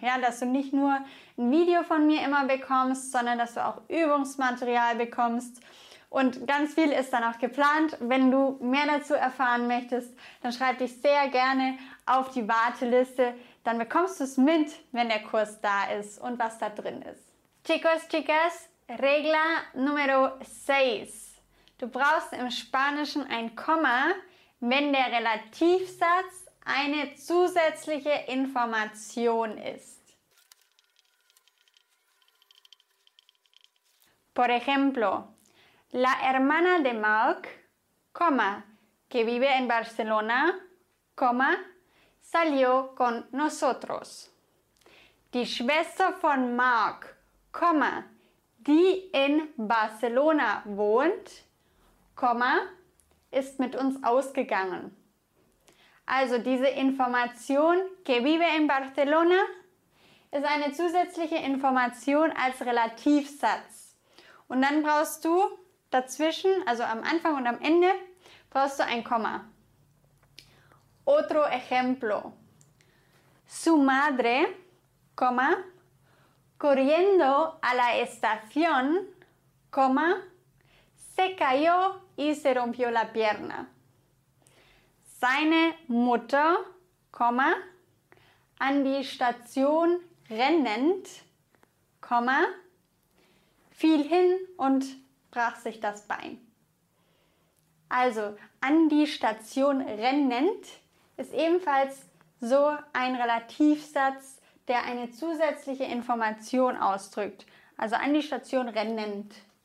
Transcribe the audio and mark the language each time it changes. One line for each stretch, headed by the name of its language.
German: Ja, dass du nicht nur ein Video von mir immer bekommst, sondern dass du auch Übungsmaterial bekommst. Und ganz viel ist dann auch geplant. Wenn du mehr dazu erfahren möchtest, dann schreib dich sehr gerne auf die Warteliste. Dann bekommst du es mit, wenn der Kurs da ist und was da drin ist.
Spanish: Chicos, chicas, regla número 6.
German: Du brauchst im Spanischen ein Komma, wenn der Relativsatz eine zusätzliche Information ist.
Spanish: Por ejemplo, la hermana de Mark, coma, que vive en Barcelona, coma, salió con nosotros.
German: Die Schwester von Mark, Komma, die in Barcelona wohnt, Komma, ist mit uns ausgegangen. Also diese Information,
Spanish: que vive en Barcelona,
German: ist eine zusätzliche Information als Relativsatz. Und dann brauchst du dazwischen, also am Anfang und am Ende, brauchst du ein Komma.
Spanish: Otro ejemplo. Su madre, Komma, corriendo a la estación, coma, se cayó y se rompió la pierna.
German: Seine Mutter, coma, an die Station rennend, coma, fiel hin und brach sich das Bein. Also, an die Station rennend ist ebenfalls so ein Relativsatz, der eine zusätzliche Information ausdrückt, also an die Station rennend.